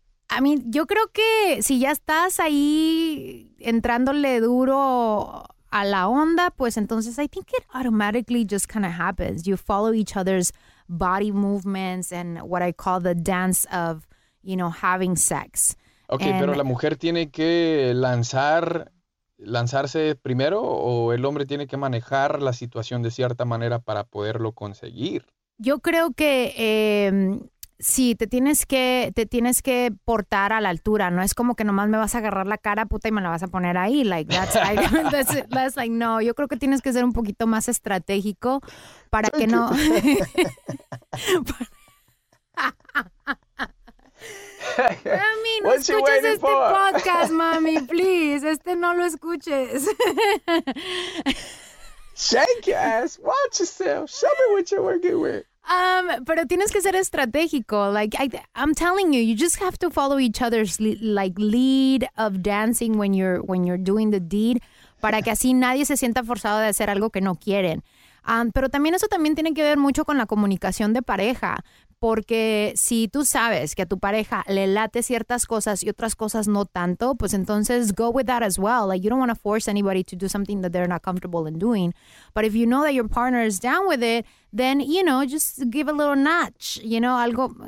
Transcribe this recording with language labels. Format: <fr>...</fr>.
<es>I mean, yo creo que si ya estás ahí entrándole duro a la onda, pues entonces</es> <en>I think it automatically just kind of happens. You follow each other's body movements and what I call the dance of, you know, having sex. Okay, and,</en> <es>pero la mujer tiene que lanzarse primero, o el hombre tiene que manejar la situación de cierta manera para poderlo conseguir. Yo creo que sí, te tienes que portar a la altura. No es como que nomás me vas a agarrar la cara, puta, y me la vas a poner ahí.</es> <en>Like that's like no.</en> <es>Yo creo que tienes que ser un poquito más estratégico para que no. Mami, no escuches este podcast, mami, please. Este no lo escuches.</es> <en>Shake your ass, watch yourself, show me what you're working with.</en> <es>Pero tienes que ser estratégico.</es> <en>Like, I'm telling you, you just have to follow each other's lead of dancing when you're doing the deed,</en> <es>para que así nadie se sienta forzado de hacer algo que no quieren. Pero también eso también tiene que ver mucho con la comunicación de pareja. Porque si tú sabes que a tu pareja le late ciertas cosas y otras cosas no tanto, pues entonces</es> <en>go with that as well. Like, you don't want to force anybody to do something that they're not comfortable in doing. But if you know that your partner is down with it, then, you know, just give a little notch, you know, algo.</en>